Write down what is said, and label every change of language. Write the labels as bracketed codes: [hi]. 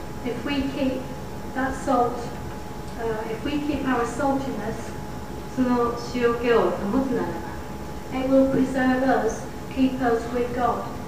[en] if we keep that salt, if we keep our saltiness, [ja] その塩気を保つならば、 [en] it will preserve us, keep us with God.